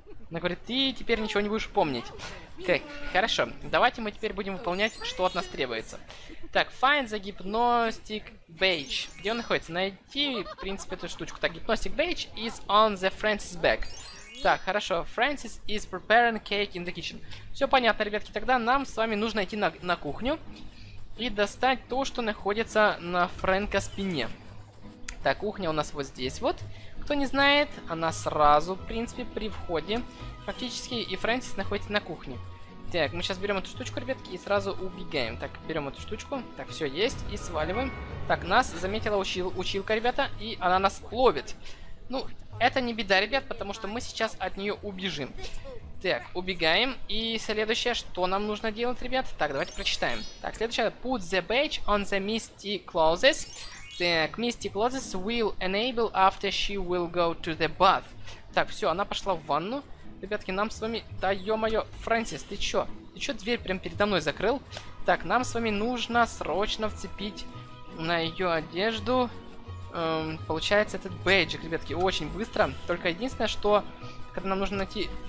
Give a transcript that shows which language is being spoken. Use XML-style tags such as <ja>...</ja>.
<ru>Она говорит, ты теперь ничего не будешь помнить. Так, хорошо, давайте мы теперь будем выполнять, что от нас требуется. Так,</ru> <en>find the gypnostic badge.</en> <ru>Где он находится? Найти, в принципе, эту штучку. Так,</ru> <en>gypnostic badge is on the Francis bag.</en> <ru>Так, хорошо,</ru> <en>Francis is preparing cake in the kitchen.</en> <ru>Все понятно, ребятки, тогда нам с вами нужно идти на кухню. И достать то, что находится на Фрэнка спине. Так, кухня у нас вот здесь вот. Кто не знает, она сразу, в принципе, при входе. Фактически, и Фрэнсис находится на кухне. Так, мы сейчас берем эту штучку, ребятки, и сразу убегаем. Так, берем эту штучку. Так, все есть, и сваливаем. Так, нас заметила училка, ребята, и она нас ловит. Ну, это не беда, ребят, потому что мы сейчас от нее убежим. Так, убегаем. И следующее, что нам нужно делать, ребят? Так, давайте прочитаем. Так, следующее.</ru> <en>Put the badge on the misty clothes.</en> <ru>Так,</ru> <en>misty clothes will enable after she will go to the bath.</en> <ru>Так, все, она пошла в ванну. Ребятки, нам с вами... Да, ё-моё, Фрэнсис, ты чё? Ты чё дверь прям передо мной закрыл? Так, нам с вами нужно срочно вцепить на её одежду... получается, этот бейджик, ребятки, очень быстро. Только единственное, что... Когда нам нужно найти...</ru>